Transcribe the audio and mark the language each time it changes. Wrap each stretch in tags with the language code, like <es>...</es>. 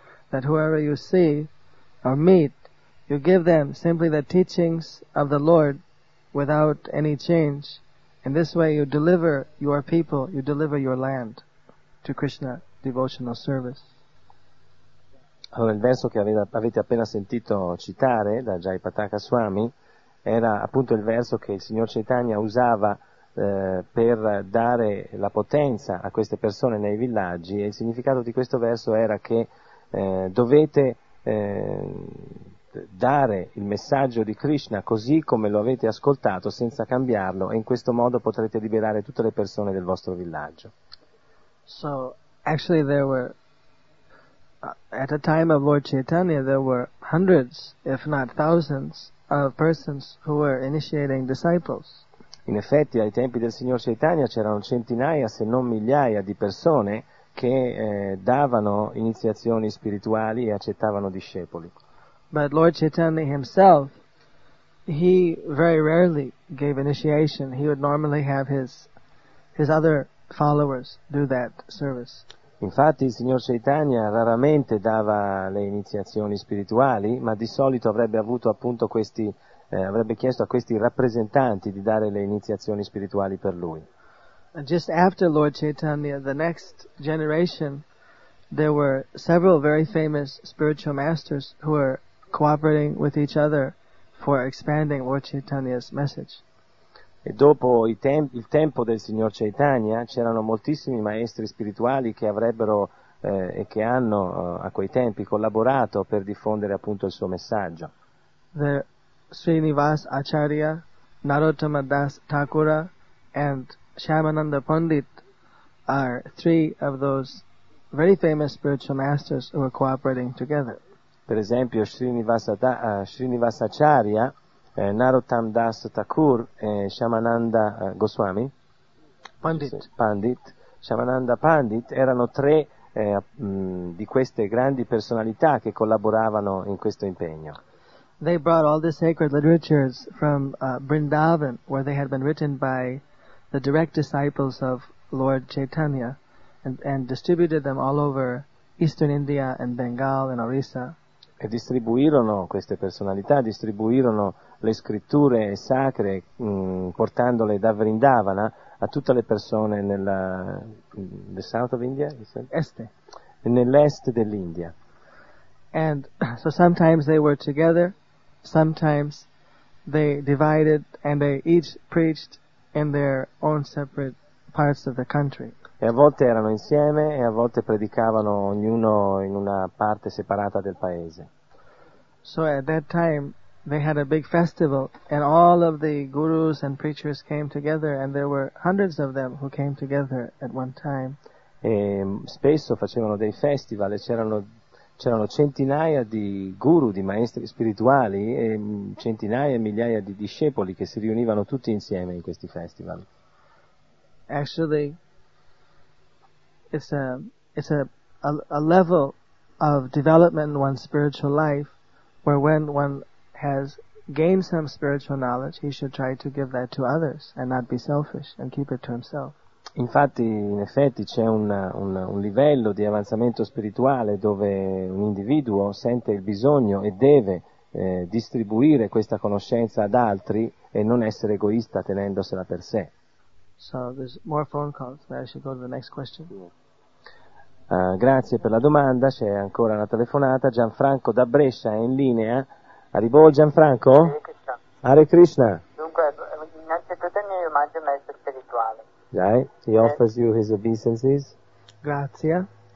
<en>That whoever you see or meet, you give them simply the teachings of the Lord without any change. In this way you deliver your people, you deliver your land to Krishna devotional service.</en> <it>Allora, il verso che avete appena sentito citare da Jai Pataka Swami era appunto il verso che il signor Chaitanya usava per dare la potenza a queste persone nei villaggi, e il significato di questo verso era che dovete dare il messaggio di Krishna così come lo avete ascoltato senza cambiarlo, e in questo modo potrete liberare tutte le persone del vostro villaggio.</it> <en>So, actually there were at the time of Lord Chaitanya there were hundreds if not thousands of persons who were initiating disciples.</en> <it>In effetti ai tempi del signor Chaitanya c'erano centinaia se non migliaia di persone che davano iniziazioni spirituali e accettavano discepoli.</it> <en>But Lord Chaitanya himself, he very rarely gave initiation. He would normally have his other followers do that service.</en> <it>Infatti il signor Chaitanya raramente dava le iniziazioni spirituali, ma di solito avrebbe avuto appunto questi avrebbe chiesto a questi rappresentanti di dare le iniziazioni spirituali per lui.</it> <en>Just after Lord Chaitanya, the next generation, there were several very famous spiritual masters who were cooperating with each other for expanding Lord Chaitanya's message.</en> <it>E dopo il tempo del signor Chaitanya c'erano moltissimi maestri spirituali che avrebbero e che hanno a quei tempi collaborato per diffondere appunto il suo messaggio.</it> <en>Srinivas Acharya, Narottama Das Thakura and Shyamananda Pandit are three of those very famous spiritual masters who are cooperating together.</en> <it>Per esempio Srinivas Acharya, Narottam Das Thakur e Shyamananda Goswami Pandit. Shyamananda Pandit erano tre di queste grandi personalità che collaboravano in questo impegno.</it> <en>They brought all the sacred literatures from Vrindavan, where they had been written by the direct disciples of Lord Chaitanya, and distributed them all over eastern India and Bengal and Orissa.</en> <it>E distribuirono queste personalità, distribuirono le scritture sacre portandole da Vrindavana a tutte le persone nella</it> <en>the south of India,</en> <it>este, nell'est dell'India.</it> <en>And so sometimes they were together, sometimes they divided, and they each preached in their own separate parts of the country.</en> <it>E a volte erano insieme e a volte predicavano ognuno in una parte separata del paese.</it> <en>So at that time they had a big festival and all of the gurus and preachers came together and there were hundreds of them who came together at one time.</en> <it>E spesso facevano dei festival e c'erano centinaia di guru, di maestri spirituali e centinaia e migliaia di discepoli che si riunivano tutti insieme in questi festival.</it> <en>Actually, it's a level of development in one's spiritual life where when one has gained some spiritual knowledge, he should try to give that to others and not be selfish and keep it to himself.</en> <it>Infatti, in effetti, c'è un livello di avanzamento spirituale dove un individuo sente il bisogno e deve distribuire questa conoscenza ad altri e non essere egoista tenendosela per sé.</it> <en>So there's more phone calls, but I should go to the next question.</en> <it>Grazie per la domanda, c'è ancora una telefonata. Gianfranco da Brescia è in linea. Arrivo Gianfranco? Hare Krishna. Hare Krishna. Dunque, innanzitutto mi immagino maestro spirituale. Dai,</it> <en>he offers you his obeisances.</en> <it>Grazie.</it>